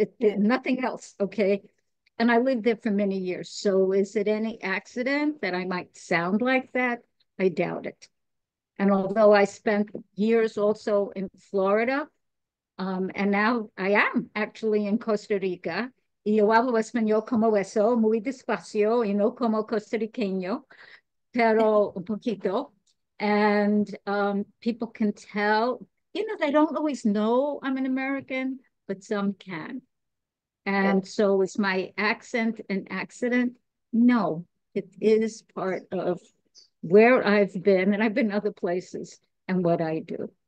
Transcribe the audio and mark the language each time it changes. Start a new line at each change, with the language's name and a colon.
English: Nothing else, okay? And I lived there for many years. So is it any accident that I might sound like that? I doubt it. And although I spent years also in Florida, and now I am actually in Costa Rica.
Spanish: Yo hablo español como eso, muy despacio, y no como costarriqueño, pero un poquito.
English: And people can tell, you know, they don't always know I'm an American, but some can. And so is my accent an accident? No, it is part of where I've been, and I've been other places, and what I do.